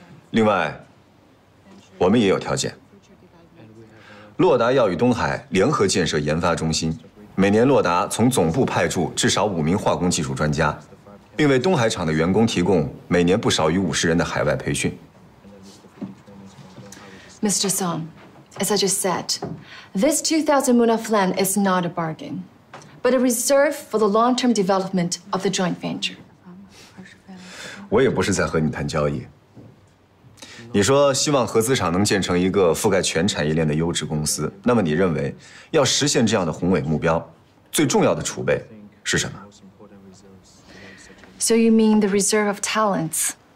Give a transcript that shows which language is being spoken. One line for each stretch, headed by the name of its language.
Chinese: 另外，我们也有条件。洛达要与东海联合建设研发中心，每年洛达从总部派驻至少5名化工技术专家，并为东海厂的员工提供每年不少于50人的海外培训。
English: Mr. Song, as I just said, this 2,000 moon of land is not a bargain. But a reserve for the long-term development of the joint venture.
Chinese: 我也不是在和你谈交易。你说希望合资厂能建成一个覆盖全产业链的优质公司，那么你认为要实现这样的宏伟目标，最重要的储备是什么？
English: So you mean the reserve of talents?